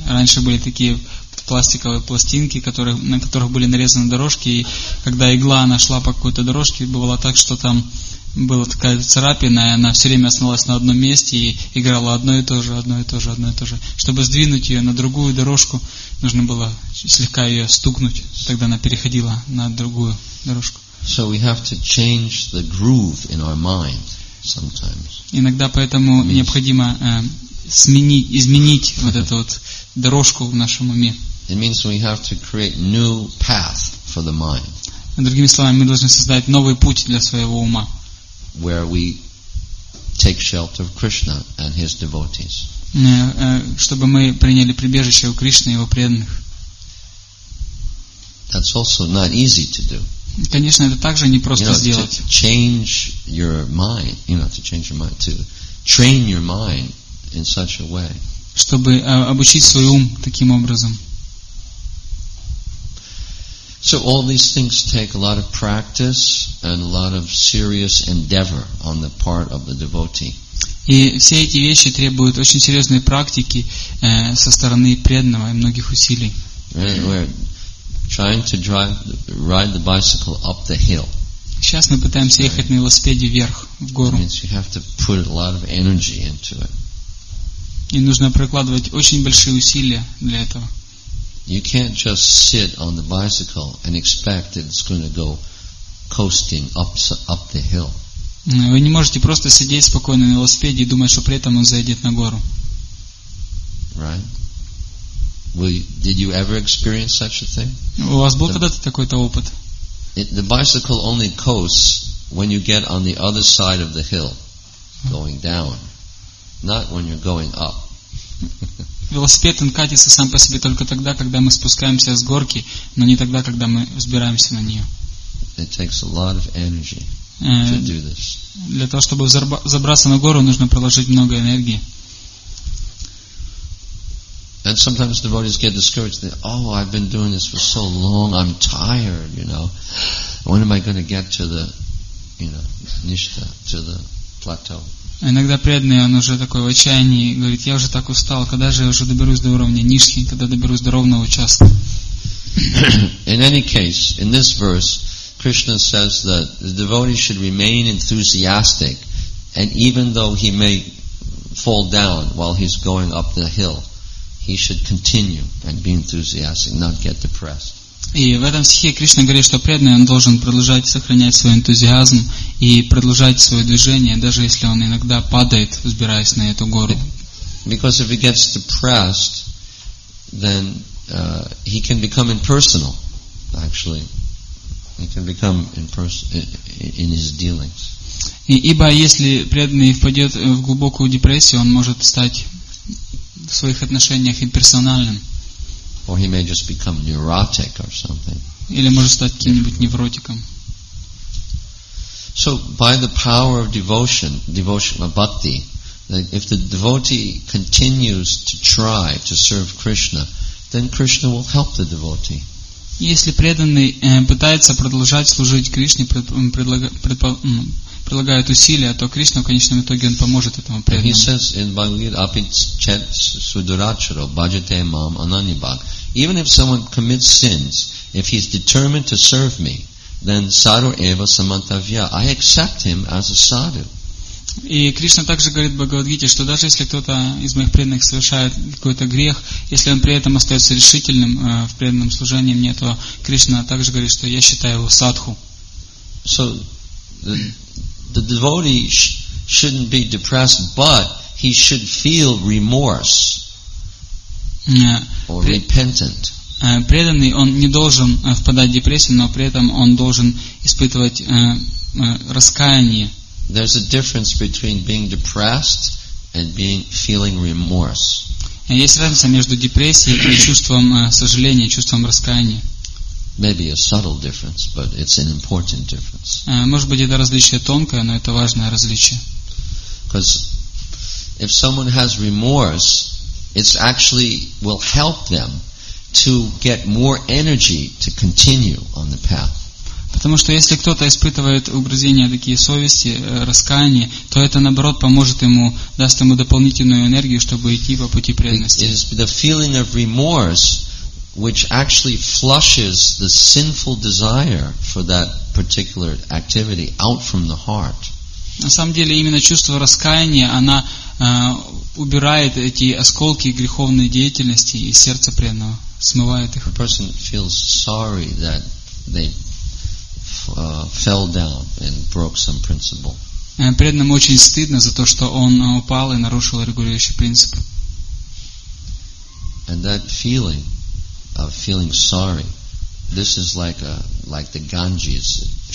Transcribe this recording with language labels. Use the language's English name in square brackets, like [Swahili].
[Russian] Раньше были такие пластиковые пластинки, на которых были нарезаны дорожки, и когда игла нашла по какой-то дорожке, бывало так, что там была такая царапина, и она все время основалась на одном месте и играла одно и то же. Чтобы сдвинуть ее на другую дорожку, нужно было слегка ее стукнуть, тогда она переходила на другую дорожку. [English] So we have to change the groove in our mind. sometimes. [Russian] Иногда поэтому необходимо изменить вот эту вот дорожку в нашем уме. [English] It means we have to create new path for the mind. [Russian] Другими словами, мы должны создать новый путь для своего ума. [English] Where we take shelter of Krishna and his devotees. [Russian] Чтобы мы приняли прибежище у Кришны и его преданных. [English] That's also not easy to do. [Russian] Конечно, это также не просто сделать. [English] To change your mind, to train your mind in such a way. [Russian] Чтобы обучить свой ум таким образом. [English] So all these things take a lot of practice and a lot of serious endeavor on the part of the devotee. [Russian] И все эти вещи требуют очень серьезной практики со стороны преданного и многих усилий. [English] Trying to ride the bicycle up the hill. [Russian] Сейчас мы пытаемся ехать на велосипеде вверх, в гору. [English] It means you have to put a lot of energy into it. [Russian] И нужно прикладывать очень большие усилия для этого. [English] You can't just sit on the bicycle and expect that it's going to go coasting up the hill. [Russian] Вы не можете просто сидеть спокойно на велосипеде и думать, что при этом он заедет на гору. [English] Right? Did you ever experience such a thing? [Russian] У вас был когда-то такой-то опыт? [English] The bicycle only coasts when you get on the other side of the hill, going down, not when you're going up. [Russian] Велосипед, он катится сам по себе только тогда, когда мы спускаемся с горки, но не тогда, когда мы взбираемся на нее. [English] It takes a lot of energy to do this. [Russian] Для того, чтобы забраться на гору, нужно приложить много энергии. [English] And sometimes devotees get discouraged. Oh, I've been doing this for so long. I'm tired, you know. When am I going to get to the, you know, nishtha, to the plateau? [Russian] Иногда преданный, он уже такой в отчаянии, говорит, я уже так устал, когда же я уже доберусь до уровня нишхи, когда доберусь до ровного участка. [English] In any case, in this verse, Krishna says that the devotee should remain enthusiastic, and even though he may fall down while he's going up the hill, he should continue and be enthusiastic, not get depressed. [Russian] И в этом стихе Кришна говорит, что преданный он должен продолжать сохранять свой энтузиазм и продолжать свое движение, даже если он иногда падает, взбираясь на эту гору. [English] Because if he gets depressed, then he can become impersonal, actually. He can become impersonal in his dealings. [Russian] Ибо если преданный впадет в глубокую депрессию, он может стать в своих отношениях имперсональным. [English] Or he may just become neurotic or something. [Russian] Или может стать каким-нибудь невротиком. [English] So by the power of devotion, devotion of bhakti, if the devotee continues to try to serve Krishna, then Krishna will help the devotee. [Russian] Если преданный пытается продолжать служить Кришне, прилагает усилия, то Кришна в конечном итоге он поможет этому преданному. [English] He says in Bhagavad Gita, [Sanskrit] sudaracharo bhajate mam ananibhag. [English] Even if someone commits sins, if he's determined to serve me, then [Sanskrit] sadhu eva samantavya. [English] I accept him as a sadhu. [Russian] И Кришна также говорит в Бхагавад Гите, что даже если кто-то из моих преданных совершает какой-то грех, если он при этом остается решительным в преданном служении мне, то Кришна также говорит, что я считаю его садху. [English] So the devotee shouldn't be depressed, but he should feel remorse or repentant. [Russian] Преданный, он не должен впадать в депрессию, но при этом он должен испытывать раскаяние. [English] There's a difference between being depressed and being feeling remorse. [Russian] Есть разница между депрессией и чувством сожаления, чувством раскаяния. [English] Maybe a subtle difference, but it's an important difference. [Russian] Может быть, это различие тонкое, но это важное различие. [English] Because if someone has remorse, it's actually will help them to get more energy to continue on the path. [Russian] Потому что если кто-то испытывает угрызения такие совести, раскаяние, то это наоборот поможет ему, даст ему дополнительную энергию, чтобы идти по пути преданности. [English] It is the feeling of remorse which actually flushes the sinful desire for that particular activity out from the heart. [Russian] На самом деле, именно чувство раскаяния, она убирает эти осколки греховной деятельности из сердца преданного, смывает их. [English] A person feels sorry that they fell down and broke some principle. [Russian] Преданному очень стыдно за то, что он упал и нарушил регулирующий принцип. [English] And that feeling of feeling sorry, this is like a like the Ganges.